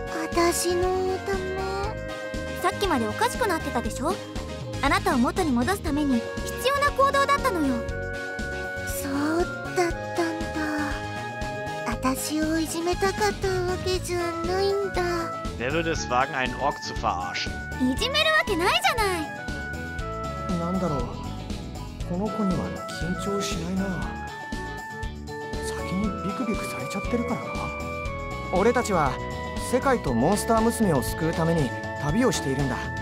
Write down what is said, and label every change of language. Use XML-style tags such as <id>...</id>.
<ja>私のため。さっきまでおかしくなってたでしょ？あなたを元に戻すために必要な行動だったのよ。そうだったんだ。私をいじめたかったわけじゃないんだ。</ja> <de>Wer würde es wagen, einen Ork zu verarschen?</de> <ja>いじめるわけないじゃない。なんだろう。この子には緊張しないな。先にビクビクされちゃってるからな。俺たちは世界とモンスター娘を救うために旅をしているんだ。</ja>